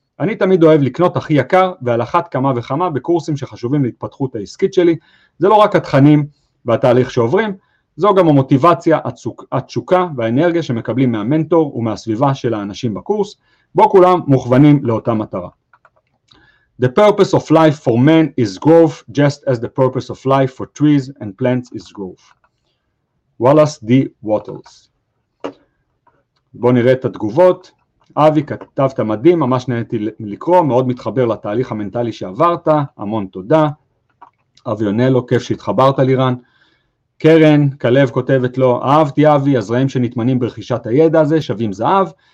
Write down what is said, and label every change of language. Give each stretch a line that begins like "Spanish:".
Hebrew: אני תמיד אוהב לקנות הכי יקר ועל אחת כמה וכמה בקורסים שחשובים להתפתחות העסקית שלי, זה לא רק התכנים והתהליך שעוברים, זו גם המוטיבציה, התשוקה והאנרגיה שמקבלים מהמנטור ומהסביבה של האנשים בקורס, בו כולם מוכוונים לאותה מטרה.
English: The purpose of life for men is growth, just as the purpose of life for trees and plants is growth. Wallace D. Wattles.
Hebrew: בוא נראה את התגובות. אבי, כתבת מדהים, ממש נהניתי לקרוא, מאוד מתחבר לתהליך המנטלי שעברת, המון תודה. אבי עונה לו, כיף שהתחברת לירן. קרן, כלב כותבת לו, אהבתי אבי, הזרעים שנתמנים ברכישת הידע הזה, שווים זהב.